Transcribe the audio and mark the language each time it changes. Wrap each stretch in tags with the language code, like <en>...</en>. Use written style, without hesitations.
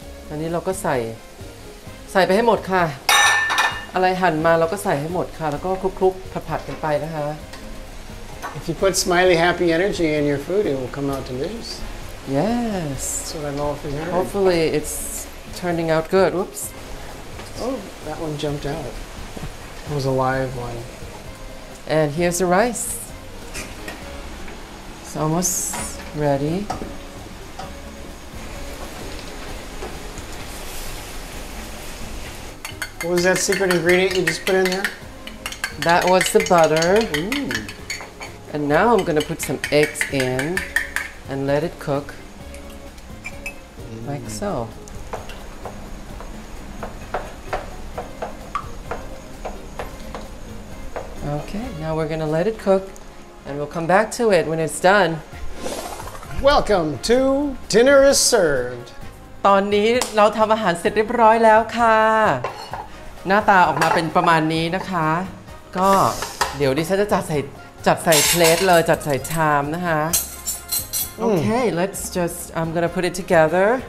<th>อันนี้เราก็ใส่ไปให้หมดค่ะอะไรหั่นมาเราก็ใส่ให้หมดค่ะแล้วก็คลุกๆผัดๆกันไปนะคะ</th> <en>If you put smiley happy energy in your food, it will come out delicious. Yes. So I'm all for that. Hopefully it's turning out good. Whoops. Oh, that one jumped out. It was a live one. And here's the rice. Almost ready. What was that secret ingredient you just put in there? That was the butter. Ooh. And now I'm gonna put some eggs in and let it cook like so. Okay, now we're gonna let it cook and we'll come back to it when it's done. Welcome to Dinner is Served.</en> <th>ตอนนี้เราทำอาหารเสร็จเรียบร้อยแล้วค่ะหน้าตาออกมาเป็นประมาณนี้นะคะก็เดี๋ยวดิฉันจะจัดใส่เพลทเลยจัดใส่ชามนะคะโอเค</th> <en>let's just I'm gonna put it together</en>